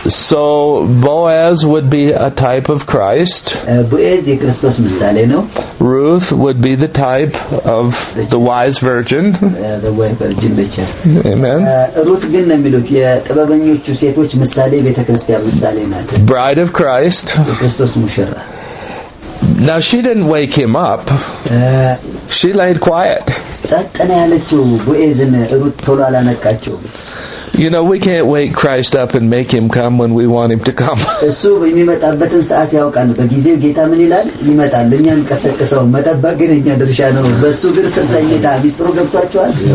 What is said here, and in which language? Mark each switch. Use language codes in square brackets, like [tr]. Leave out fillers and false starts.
[en] So Boaz would be a type of Christ. Boaz is Christ's [am] ምሳሌ ነው. [en] Ruth would be the type of the wise virgin. The wise virgin nature. Amen. [am] ሩት ግን ነው የሚሉት የጥበበኞቹ ሴቶች ምሳሌ ቤተክርስቲያን ምሳሌ ናት. [en] Bride of Christ. [am] የክርስቶስ ሙሽራ. [en] Now she didn't wake him up. She laid quiet. [am] ጸጥ ያለችው ቦአዝን ሩት ቶሎ አላነቃቸው. [en] You know we can't wake Christ up and make him come when we want him to come. [am] እሱ የሚመጣበትን ሰዓት ያውቃል በጊዜው ጌታ ምን ይላል ይመጣል እኛን ከተከሰው መጠበቅ ግን እኛ ድርሻ ነው በሱ ግን ተሰይታ ቢጥሩ ገብቷቸዋል